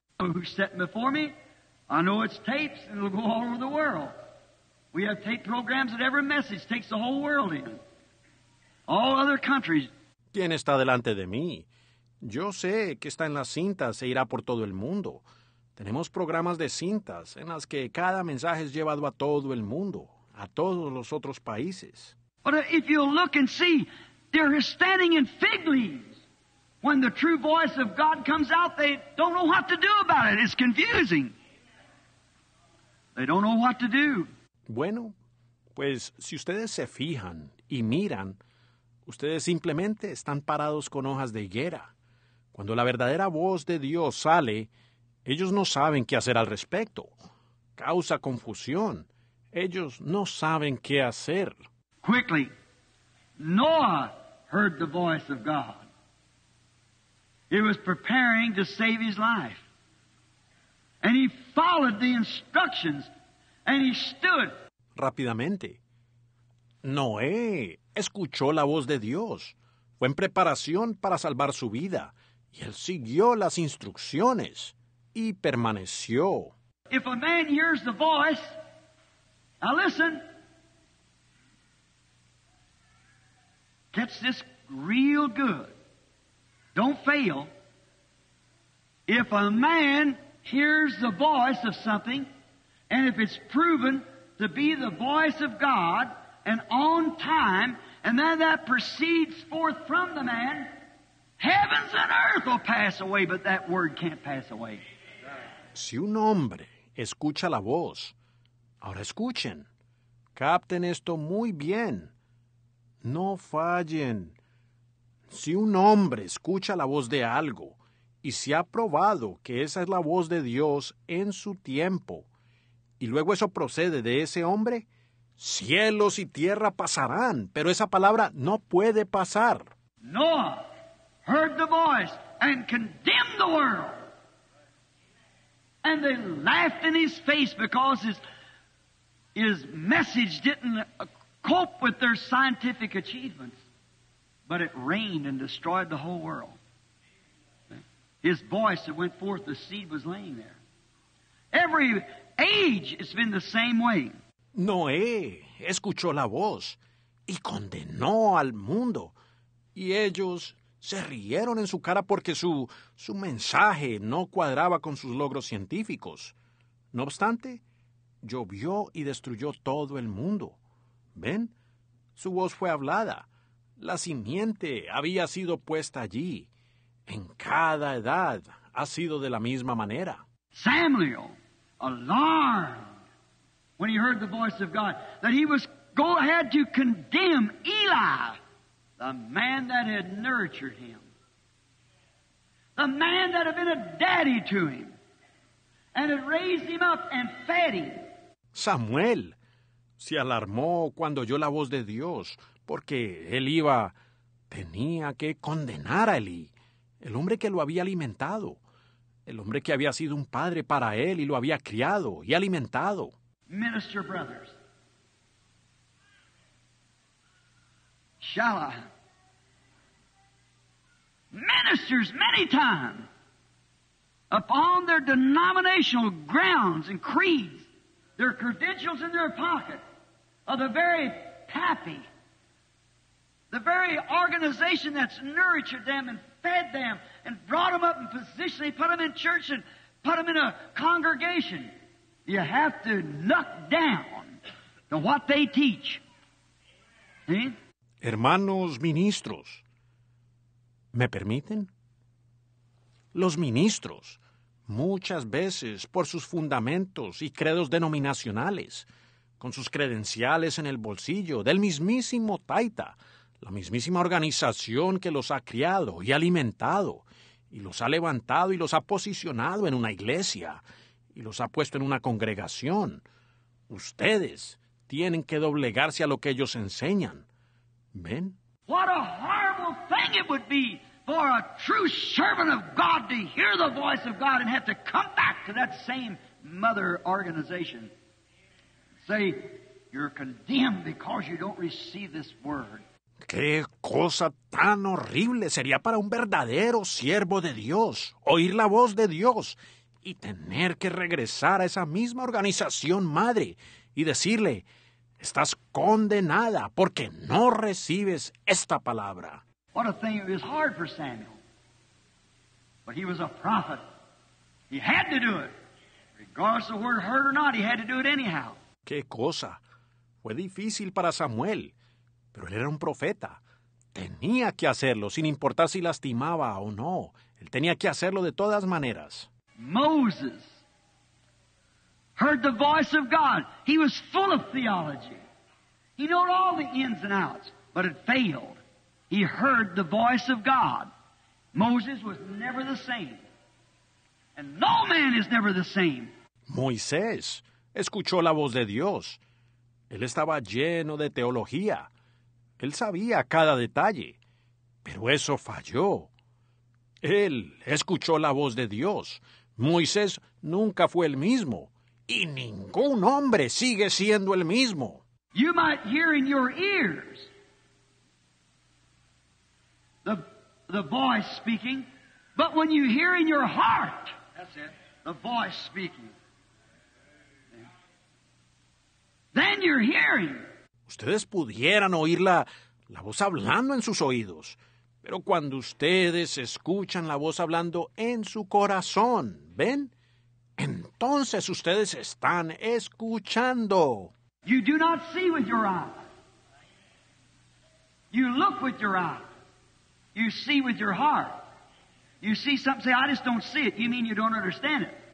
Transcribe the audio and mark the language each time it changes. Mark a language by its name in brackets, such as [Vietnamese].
[English] Who's sitting before me? I know it's tapes, and it'll go all over the world. We have tape programs that every message takes the whole world in. All other countries. [Spanish] ¿Quién está delante de mí? Yo sé que está en las cintas e irá por todo el mundo. Tenemos programas de cintas en las que cada mensaje es llevado a todo el mundo, a todos los otros países. [English] But if you look and see, they're standing in fig leaves. When the true voice of God comes out, they don't know what to do about it. It's confusing. They don't know what to do. [Spanish] Bueno, pues si ustedes se fijan y miran, ustedes simplemente están parados con hojas de higuera. Cuando la verdadera voz de Dios sale, ellos no saben qué hacer al respecto. Causa confusión. Ellos no saben qué hacer. [English] Quickly, Noah heard the voice of God. He was preparing to save his life. And he followed the instructions, and he stood. [Spanish] Rápidamente. Noé escuchó la voz de Dios. Fue en preparación para salvar su vida. Y él siguió las instrucciones y permaneció. [English] If a man hears the voice, now listen. Gets this real good. Don't fail. If a man hears the voice of something, and if it's proven to be the voice of God, and on time, and then that proceeds forth from the man, heavens and earth will pass away, but that word can't pass away. [Spanish] Si un hombre escucha la voz, ahora escuchen, capten esto muy bien, no fallen. Si un hombre escucha la voz de algo, y se ha probado que esa es la voz de Dios en su tiempo, y luego eso procede de ese hombre, cielos y tierra pasarán, pero esa palabra no puede pasar. [English] Noah heard the voice and condemned the world. And they laughed in his face because his message didn't cope with their scientific achievements. But it rained and destroyed the whole world. His voice that went forth, the seed was laying there. Every age it's been the same way. [Spanish] Noé escuchó la voz y condenó al mundo. Y ellos se rieron en su cara porque su mensaje no cuadraba con sus logros científicos. No obstante, llovió y destruyó todo el mundo. ¿Ven? Su voz fue hablada. La simiente había sido puesta allí. En cada edad ha sido de la misma manera. [English] Samuel, alarmed when he heard the voice of God, that he was go ahead to condemn Eli, the man that had nurtured him, the man that had been a daddy to him, and had raised him up and fed him. [Spanish] Samuel se alarmó cuando oyó la voz de Dios, porque él tenía que condenar a Eli. El hombre que lo había alimentado, el hombre que había sido un padre para él y lo había criado y alimentado. [English] Minister brothers, shall I? Ministers many times upon their denominational grounds and creeds, their credentials in their pocket are the very pappy, the very organization that's nurtured them and fed them and brought them up in position. They put them in church and put them in a congregation. You have to knock down to what they teach. [Spanish] Hermanos ministros, ¿me permiten? Los ministros, muchas veces por sus fundamentos y credos denominacionales, con sus credenciales en el bolsillo del mismísimo Taita, la mismísima organización que los ha criado y alimentado, y los ha levantado y los ha posicionado en una iglesia, y los ha puesto en una congregación. Ustedes tienen que doblegarse a lo que ellos enseñan. ¿Ven? [English] What a horrible thing it would be for a true servant of God to hear the voice of God and have to come back to that same mother organization. Say, you're condemned because you don't receive this word. [Spanish] ¡Qué cosa tan horrible sería para un verdadero siervo de Dios oír la voz de Dios y tener que regresar a esa misma organización madre y decirle, estás condenada porque no recibes esta palabra! [English] What a thing. It was hard for Samuel. But he was a prophet. He had to do it. Regardless of whether heard or not, he had to do it anyhow. [Spanish] ¡Qué cosa! Fue difícil para Samuel, pero él era un profeta. Tenía que hacerlo, sin importar si lastimaba o no. Él tenía que hacerlo de todas maneras. [English] Moses heard the voice of God. He was full of theology. He knew all the ins and outs, but it failed. He heard the voice of God. Moses was never the same. And no man is never the same. [Spanish] Moisés escuchó la voz de Dios. Él estaba lleno de teología. Él sabía cada detalle, pero eso falló. Él escuchó la voz de Dios. Moisés nunca fue el mismo, y ningún hombre sigue siendo el mismo. [English] You might hear in your ears the voice speaking, but when you hear in your heart, that's it, the voice speaking, then you're hearing. [Spanish] Ustedes pudieran oír la voz hablando en sus oídos, pero cuando ustedes escuchan la voz hablando en su corazón, ¿ven? Entonces ustedes están escuchando. [English] You do not see with your eye. You look with your eye. You see with your heart. You see something, say, I just don't see it. You mean you don't understand it.